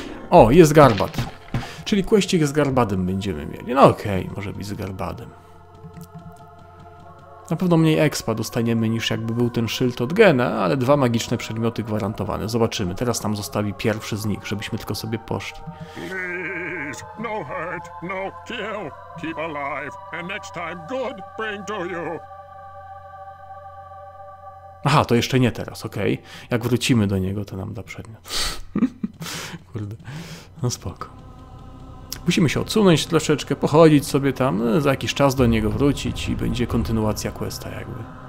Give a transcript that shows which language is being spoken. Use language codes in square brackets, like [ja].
[pl] O, jest garbat. Czyli kwestik z garbadem będziemy mieli. No okej, okay, może być z garbadem. Na pewno mniej expa dostaniemy niż jakby był ten szyld od Gena, ale dwa magiczne przedmioty gwarantowane. Zobaczymy, teraz nam zostawi pierwszy z nich, żebyśmy tylko sobie poszli. [en] Please, no hurt, no kill. Keep alive and next time good bring to you. [pl] Aha, to jeszcze nie teraz, okej. Okay. Jak wrócimy do niego, to nam da przedmiot. Kurde, no spoko. Musimy się odsunąć troszeczkę, pochodzić sobie tam, za jakiś czas do niego wrócić i będzie kontynuacja questa jakby.